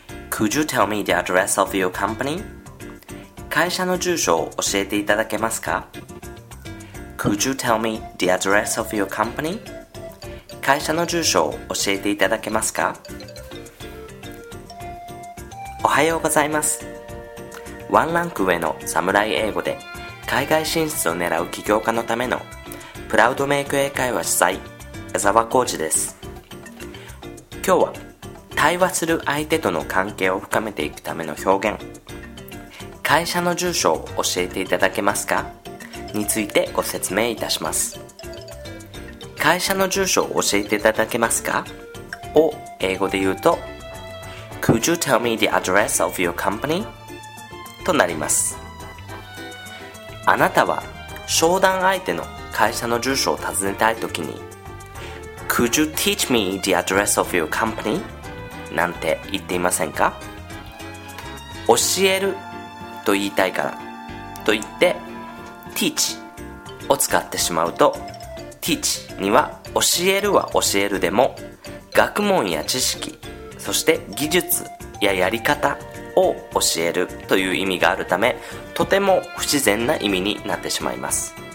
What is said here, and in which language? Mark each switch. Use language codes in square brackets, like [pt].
[en] Could you tell me the address of your company? [ja] 会社の住所を教えていただけますか? [en] Could you tell me the address of your company? [ja] 会社の住所を教えていただけますか? おはようございます。ワンランク上のサムライ英語で海外進出を狙う起業家のためのプラウドメイク英会話主催、矢沢浩二です。今日は対話する相手との関係を深めていくための表現、会社の住所を教えていただけますか? についてご説明いたします。会社の住所を教えていただけますか? を英語で言うと、 [en] Could you tell me the address of your company? [ja] となります。あなたは商談相手の会社の住所を尋ねたいときに、 [en] Could you teach me the address of your company? [ja] なんて言っていませんか?教えると言いたいからと言って teach を使ってしまうと teach には教えるは教えるでも学問や知識そして技術ややり方を教えるという意味があるためとても不自然な意味になってしまいます。